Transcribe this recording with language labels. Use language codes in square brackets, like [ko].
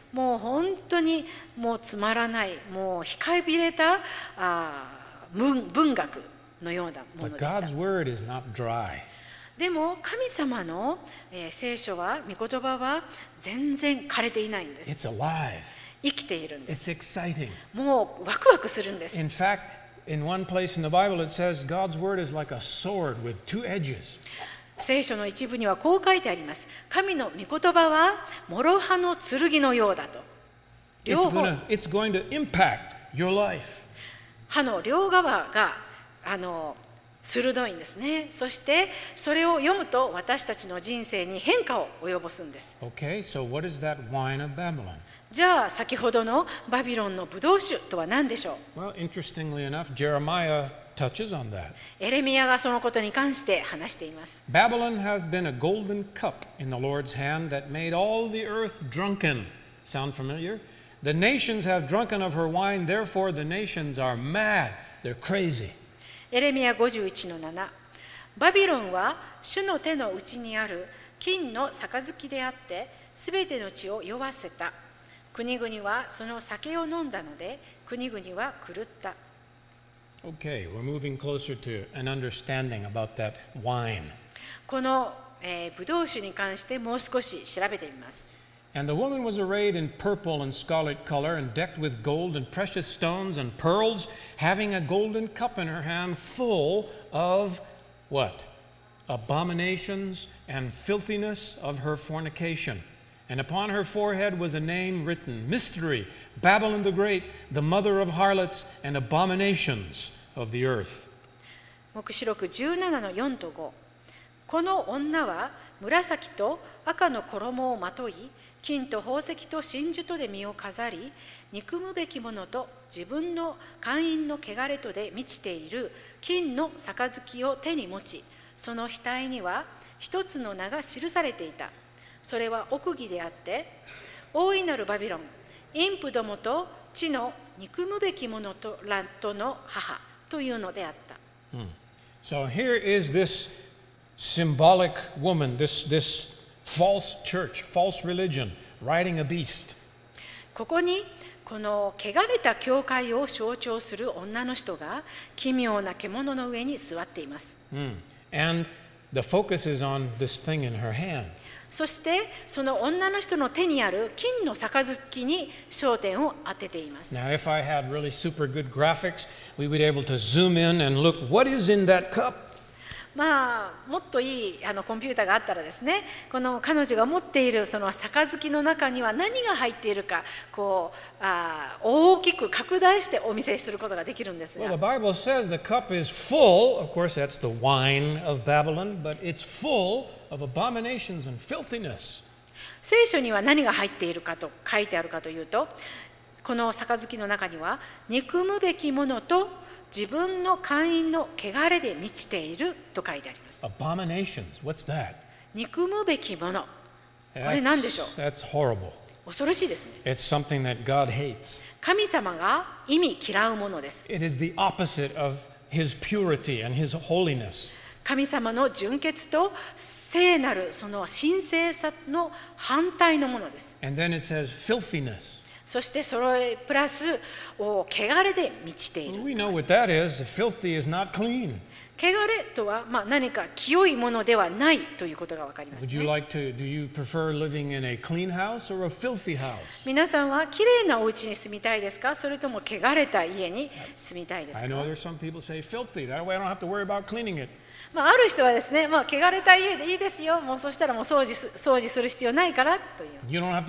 [ja] もう本当にもうつまらない、もう控えびれた文学のようなものでした。でも神様の、聖書は、御言葉は全然枯れていないんです。 [en] It's alive. [ja] 生きているんです。 [en] It's exciting. [ja] もうワクワクするんです。 [en] In fact, in one place in the Bible it says God's word is like a sword with two edges. [ja] 聖書の一部にはこう書いてあります。神の御言葉は諸刃の剣のようだと。両方 [en] it's going to impact your life. [ja] 刃の両側が鋭いんですね。そしてそれを読むと私たちの人生に変化を及ぼすんです。 [en] Okay, so what is that wine of Babylon? [ja] じゃあ先ほどのバビロンのブドウ酒とは何でしょう。 [en] Well, interestingly enough, Jeremiah touches on that. [ja] エレミアがそのことに関して話しています。 [en] Babylon has been a golden cup in the Lord's hand that made all the earth drunken. Sound familiar? The nations have drunken of her wine, therefore the nations are mad. They're crazy. [ja] エレミア 51-7 バビロンは主の手の内にある金の杯であって、すべての地を酔わせた。国々はその酒を飲んだので、国々は狂った。 [en] Okay, we're moving closer to an understanding about that wine. [ja] この、ブドウ酒に関してもう少し調べてみます。 [en] And the woman was arrayed in purple and scarlet color and decked with gold and precious stones and pearls. Having a golden cup in her hand full of what? Abominations and filthiness of her fornication. And upon her forehead was a name written, Mystery, Babylon the Great, the mother of harlots and abominations of the earth. [ja] 黙示録 17-4-5 この女は紫と赤の衣をまとい、金と宝石と真珠とで身を飾り、憎むべきものと自分の姦淫の汚れとで満ちている金の杯を手に持ち、その額には一つの名が記されていた。それは奥義であって、大いなるバビロン、インプどもと地の憎むべきものとラットの母というのであった。 Hmm. [en] So here is this symbolic woman, this false church, false religion, riding a beast. [ja] ここにこの汚れた教会を象徴する女の人が奇妙な獣の上に座っています。 Mm. [en] And the focus is on this thing in her hand. [ja] そしてその女の人の手にある金の杯に焦点を当てています。 [en] Now, if I had really super good graphics, we would be able to zoom in and look what is in that cup. [ja] まあ、もっといいコンピューターがあったらですね、この彼女が持っているその杯の中には何が入っているか、こう大きく拡大してお見せすることができるんですが、 [en] Well, the Bible says the cup is full. Of course, that's the wine of Babylon, but it's full of abominations and filthiness. [ja] 聖書には何が入っているかと書いてあるかというと、この杯の中には憎むべきものと自分の姦淫の汚れで満ちていると書いてあります。 [en] Abominations. What's that? [ja] 憎むべきもの。これ何でしょう。 [en] That's horrible. [ja] 恐ろしいですね。 [en] It's something that God hates. [ja] 神様が忌み嫌うものです。 [en] It is the opposite of His purity and His holiness. [ja] 神様の純潔と聖なるその神聖さの反対のものです。 [en] And then it says filthiness. [ja] そしてそれプラスを汚れで満ちている。 [en] We know what that is. Filthy is not clean. [ja] 汚れとは、まあ、何か清いものではないということがわかりますね。 [en] Would you like to, do you prefer living in a clean house or a filthy house? [ja] 皆さんはきれいなお家に住みたいですか、それとも汚れた家に住みたいですか。 [en] I know there's some people say filthy. That way I don't have to worry about cleaning it. [ja] まあ、ある人はですね、まあ、汚れた家でいいですよ、もうそしたらもう掃除する必要ないからと言います。